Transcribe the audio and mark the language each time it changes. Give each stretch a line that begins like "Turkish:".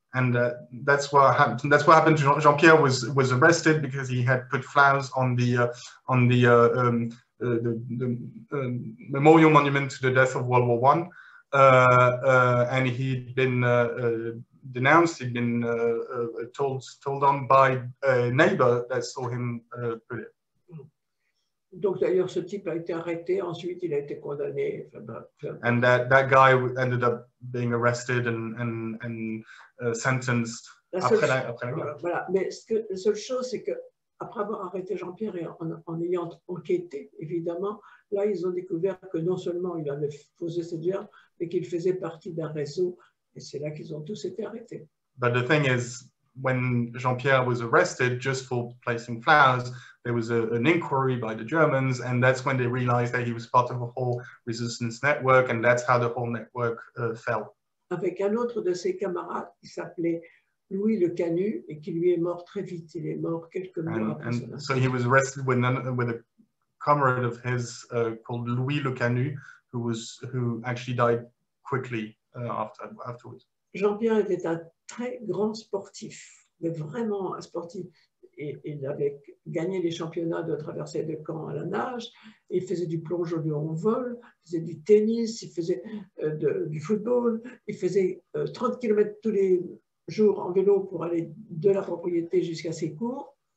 English: And that's what happened. Jean-Pierre was arrested because he had put flowers on the memorial monument to the death of World War One, and he'd been denounced, he'd been told on by a neighbor that saw him put it.
French: Donc d'ailleurs, ce type a été arrêté, ensuite il a été condamné.
English: And that guy ended up being arrested and sentenced
French: après la guerre. Voilà, mais la seule chose, c'est que après avoir arrêté Jean-Pierre et en ayant enquêté, évidemment, là, ils ont découvert que non seulement il avait posé cette verbe, mais qu'il faisait partie d'un réseau. Et c'est là qu'ils ont tous été arrêtés.
English: But the thing is, when Jean-Pierre was arrested just for placing flowers, there was an inquiry by the Germans, and that's when they realized that he was part of a whole resistance network, and that's how the whole network fell.
French: Avec un autre de ses camarades, qui s'appelait Louis Le Canu, et qui lui est mort très vite. Il est mort quelques mois après.
English: And so he was arrested with a comrade of his called Louis Le Canu, who actually died quickly afterwards.
French: Jean-Pierre était un très grand sportif, mais vraiment un sportif. Et il avait gagné les championnats de traversée de Caen à la nage, il faisait du plongeon en vol, il faisait du tennis, il faisait du football, il faisait 30 km tous les jours en vélo pour aller de la propriété jusqu'à ses cours.